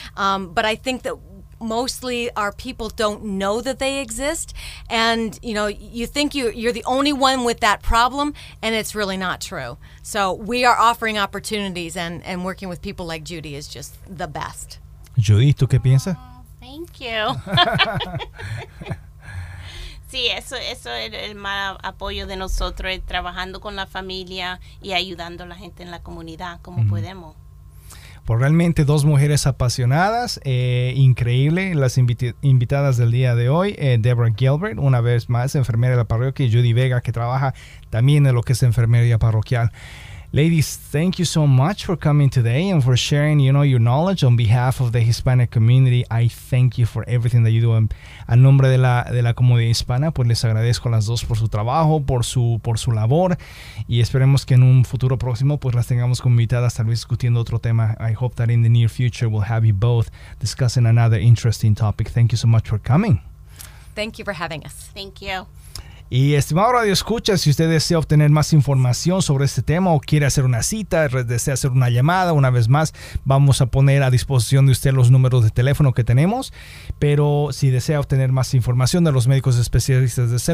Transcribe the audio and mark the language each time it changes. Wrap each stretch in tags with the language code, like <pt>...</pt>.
<en>But I think that mostly our people don't know that they exist. And, you know, you think you're the only one with that problem, and it's really not true. So we are offering opportunities, and working with people like Judy is just the best.</en> <es>Judy, ¿tú qué piensas? Oh,</es> <en>thank you.</en> <es>Sí, eso es el más apoyo de nosotros, trabajando con la familia y ayudando a la gente en la comunidad como podemos. Pues realmente dos mujeres apasionadas, increíble, las invitadas del día de hoy, Deborah Gilbert, una vez más enfermera de la parroquia, y Judy Vega, que trabaja también en lo que es enfermería parroquial.</es> <en>Ladies, thank you so much for coming today and for sharing, you know, your knowledge on behalf of the Hispanic community. I thank you for everything that you do.</en> <es>A nombre de la comunidad hispana, pues les agradezco a las dos por su trabajo, por su labor, y esperemos que en un futuro próximo pues las tengamos como invitadas, tal vez discutiendo otro tema.</es> <en>I hope that in the near future we'll have you both discussing another interesting topic. Thank you so much for coming. Thank you for having us. Thank you.</en> <es>Y estimado Radio Escucha, si usted desea obtener más información sobre este tema o quiere hacer una cita, desea hacer una llamada, una vez más, vamos a poner a disposición de usted los números de teléfono que tenemos. Pero si desea obtener más información de los médicos especialistas de St.</es>